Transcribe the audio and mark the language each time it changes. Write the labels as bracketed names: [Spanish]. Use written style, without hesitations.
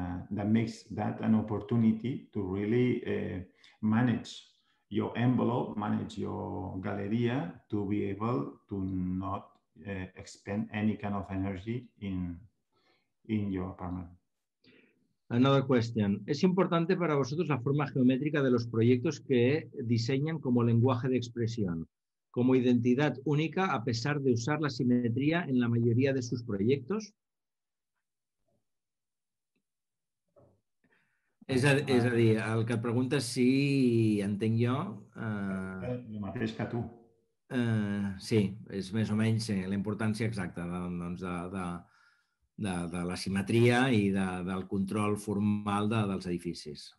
[English] that makes that an opportunity to really manage your envelope, manage your galería, to be able to not expend any kind of energy in your apartment. Another question. [Spanish] ¿Es importante para vosotros la forma geométrica de los proyectos que diseñan como lenguaje de expresión, como identidad única, a pesar de usar la simetría en la mayoría de sus proyectos? [Catalan] És a dir, el que pregunta és si entenc jo... El mateix que tu. Sí, és més o menys la importància exacta de la simetria i del control formal dels edificis.